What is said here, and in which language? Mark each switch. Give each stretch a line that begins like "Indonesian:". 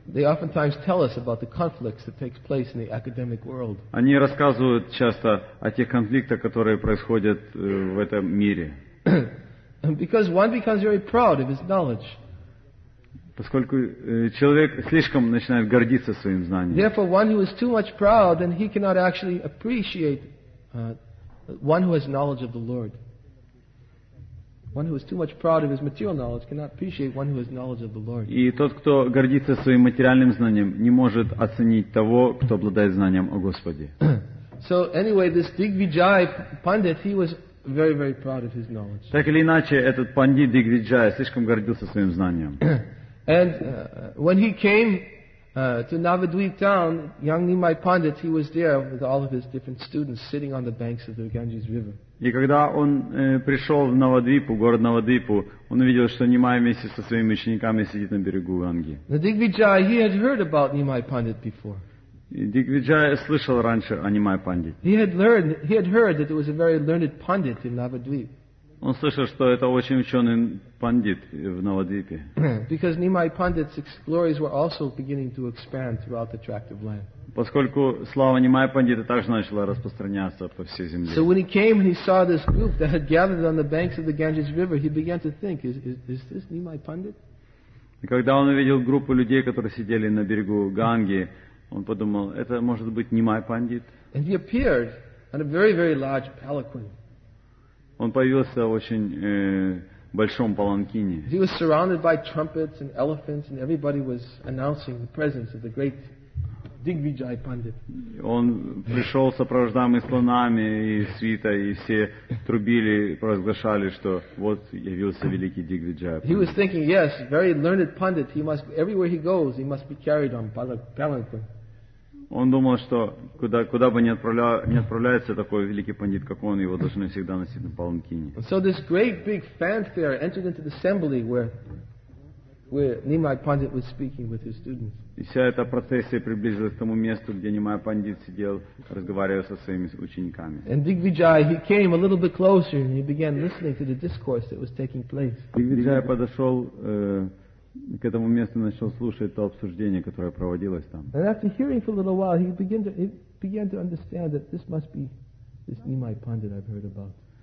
English: They oftentimes tell us about the conflicts that take place in the academic world.
Russian: Они рассказывают часто о тех конфликтах, которые происходят в этом мире.
English: Because one becomes very proud of his knowledge.
Russian: Поскольку человек слишком начинает гордиться своим знанием.
English: Therefore, one who is too much proud, then he cannot actually appreciate one who has knowledge of the Lord. One who is too much proud of his material knowledge cannot appreciate one who has knowledge of the Lord.
Russian: И тот, кто гордится своим материальным знанием, не может оценить того, кто обладает знанием о Господе.
English: So anyway, this Digvijaya pundit, he was very, very proud of his knowledge.
Russian: Так или иначе, этот пандит Дигвиджая слишком гордился своим знанием.
English: And when he came to Navadvip town, young Nimai Pandit, he was there with all of his different students sitting on the banks of the Ganges River.
Russian: И когда он пришел в Навадвипу, город Навадвипу, он увидел, что Нимай вместе со своими учениками сидит на берегу Ганги.
English: Дигвиджай, he had heard about Nimai Pandit before.
Russian: Дигвиджай слышал раньше о Нимай Пандите.
English: He had heard that there was a very learned pundit in Navadvip.
Russian: Он слышал, что это очень ученый пандит в Навадвипе.
English: Because Nimai Pandit's glories were also beginning to expand throughout the tract of land.
Russian: Поскольку слава Нимай Пандита также начала распространяться по всей земле.
English: So when he came and he saw this group that had gathered on the banks of the Ganges River, he began to think, is this Nimai Pandit?
Russian: И когда он увидел группу людей, которые сидели на берегу Ганги, он подумал, это может быть Нимай Пандит?
English: And he appeared on a very, very large palanquin.
Russian: Он появился в очень большом паланкине.
English: He was surrounded by trumpets and elephants, and everybody was announcing the presence of the great Digvijaya Pandit.
Russian: Он пришел сопровождаемый слонами и свитой, и все трубили, провозглашали, что вот явился великий Дигвиджай.
English: He was thinking, yes, very learned pundit. He must everywhere he goes, he must be carried on palanquin.
Russian: Он думал, что куда бы ни отправляется такой великий пандит, как он, его должны всегда носить на паланкине.
English: So this great big fanfare entered into the assembly where Nimai Pandit was speaking with his students.
Russian: И вся эта процессия приблизилась к тому месту, где Нимай Пандит сидел, разговаривая со своими учениками.
English: And Digvijaya, he came a little bit closer and he began listening to the discourse that was taking place.
Russian: Дигвиджай подошел к этому месту, начал слушать то обсуждение, которое проводилось там.
English: And after hearing for a little while, he began to understand that this must be this Nimai Pandit I've heard about.